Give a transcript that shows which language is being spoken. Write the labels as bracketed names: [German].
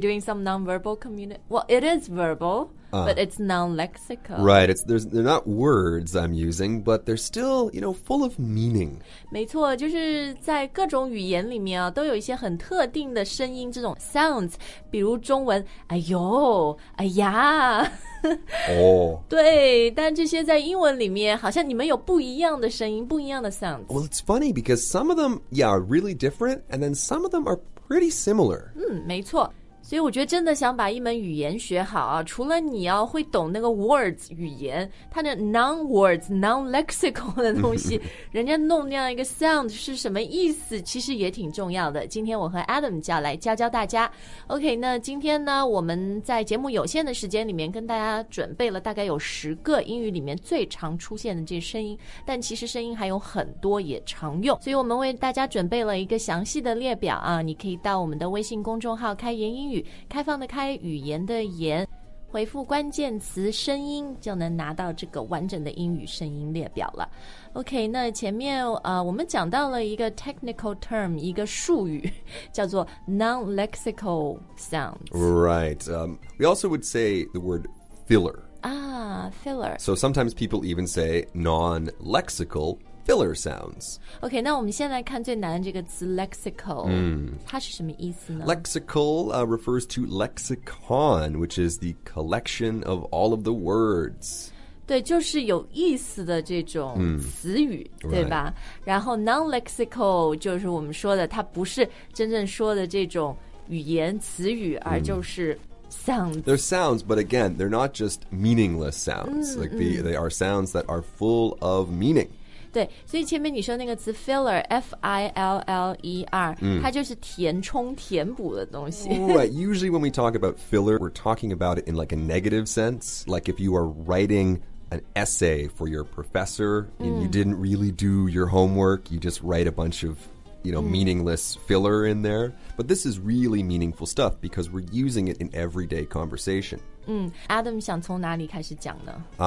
[English] doing some non-verbal communication. Well, it is verbal,、but it's non-lexical. Right, they're not words I'm using, but they're still, you know, full of meaning. [Chinese] 没错，就是在各种语言里面、都有一些很特定的声音，这种 sounds, 比如中文，哎呦，哎呀。哦、oh. 对，但这些在英文里面好像你们有不一样的声音，不一样的 sounds. [English] Well, it's funny because some of them, yeah, are really different, and then some of them are pretty similar. [Chinese] 没错。所以我觉得真的想把一门语言学好啊，除了你要会懂那个 words 语言，它的 non-words, non-lexical 的东西，人家弄那样一个 sound 是什么意思，其实也挺重要的。今天我和 Adam 就要来教教大家。OK, 那今天呢，我们在节目有限的时间里面跟大家准备了大概有十个英语里面最常出现的这声音，但其实声音还有很多也常用。所以我们为大家准备了一个详细的列表啊，你可以到我们的微信公众号开言英语开放的开语言的言回复关键词声音就能拿到这个完整的英语声音列表了 OK 那前面、我们讲到了一个 [English] technical term [Chinese] 一个术语叫做 non-lexical sounds [English] Right、we also would say the word filler filler So sometimes people even say non-lexicalFiller sounds. [Chinese] OK, 那我们先来看最难的这个词 lexical.、它是什么意思呢 [English] Lexical、refers to lexicon, which is the collection of all of the words. [Chinese] 对就是有意思的这种词语、对吧、 [English] right. [Chinese] 然后 non-lexical 就是我们说的它不是真正说的这种语言词语而就是、sounds. [English] They're sounds, but again, they're not just meaningless sounds.、like they are sounds that are full of meaning. [Chinese] 对所以前面你说那个词 filler, F-I-L-L-E-R,、它就是填充填补的东西。 [English] Right, usually when we talk about filler, we're talking about it in like a negative sense. Like if you are writing an essay for your professor and、you didn't really do your homework, you just write a bunch of, you know,、meaningless filler in there. But this is really meaningful stuff because we're using it in everyday conversation.、 [Chinese] Adam 想从哪里开始讲呢